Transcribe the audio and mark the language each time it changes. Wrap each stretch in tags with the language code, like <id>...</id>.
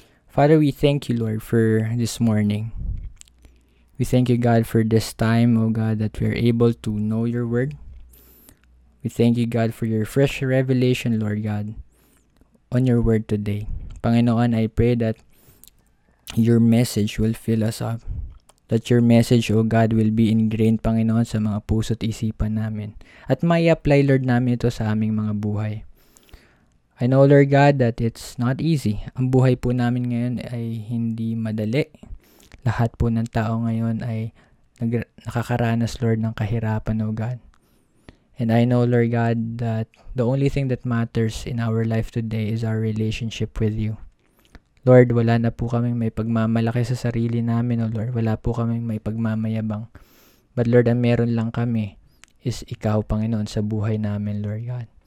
<en>Father, we thank you, Lord, for this morning. We thank you, God, for this time, O God, that we are able to know your word. We thank you, God, for your fresh revelation, Lord God, on your word today. Panginoon, I pray that your message will fill us up. That your message, O God, will be ingrained, Panginoon,</en> <tl>sa mga puso at isipan namin. At may apply, Lord, namin ito sa aming mga buhay.</tl> <en>I know, Lord God, that it's not easy.</en> <tl>Ang buhay po namin ngayon ay hindi madali. Lahat po ng tao ngayon ay nakakaranas, Lord, ng kahirapan, O God.</tl> <en>And I know, Lord God, that the only thing that matters in our life today is our relationship with you.</en> <tl>Lord, wala na po kaming may pagmamalaki sa sarili namin, O Lord. Wala po kaming may pagmamayabang. But Lord, ang meron lang kami is ikaw, Panginoon, sa buhay namin, Lord God.</tl>